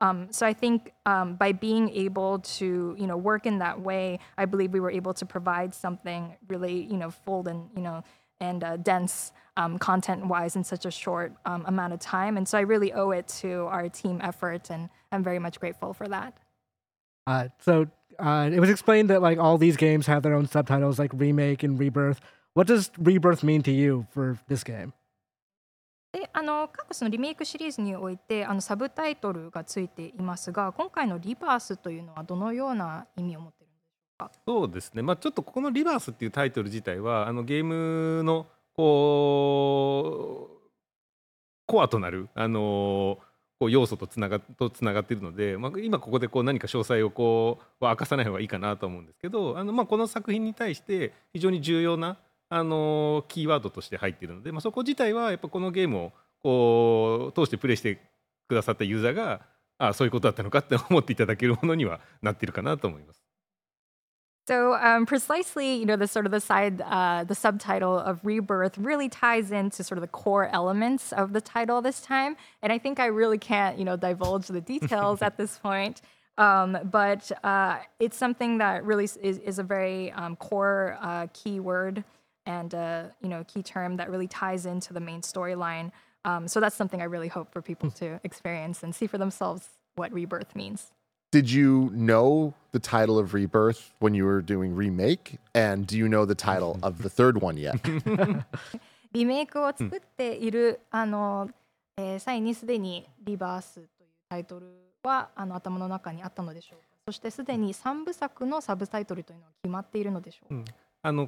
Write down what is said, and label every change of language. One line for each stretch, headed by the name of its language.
English: So I think by being able to, you know, work in that way, I believe we were able to provide something really, you know, full and, you know, and dense content-wise in such a short amount of time. And so I really owe it to our team effort, and I'm very much grateful for that. It was explained that, like, all these games have their own subtitles, like Remake and Rebirth. What does Rebirth mean to you for this game?
Japanese: であの各そのリメイクシリーズにおいてあのサブタイトルがついていますが、今回のリバースというのはどのような意味を持っているんでしょうか。そうですね、まあ、ちょっとここのリバースっていうタイトル自体はあのゲームのこうコアとなるあのこう要素とつながっているので、まあ、今ここでこう何か詳細をこうは明かさない方がいいかなと思うんですけど、あの、まあ、この作品に対して非常に重要なあのキーワードとして入っているので、まあ、そこ自体はやっぱこのゲームをこう通してプレイしてくださったユーザーが、ああそういうことだったのかって思っていただけるものにはなっているかなと思います。
English: So, precisely, you know, the sort of the side, the subtitle of Rebirth really ties into sort of the core elements of the title this time. And I think I really can't, you know, divulge the details at this point. But it's something that really is a very core keyword. and a you know, key term that really ties into the main storyline. So that's something I really hope for people to experience and see for themselves what Rebirth means. Did you know the title of Rebirth when you were doing Remake? And do you know the title of the third one yet?
Japanese: Remake を作っている際にすでにリバースというタイトルは頭の中にあったのでしょうか。そしてすでに3部作のサブタイトルというのは決まっているのでしょうか。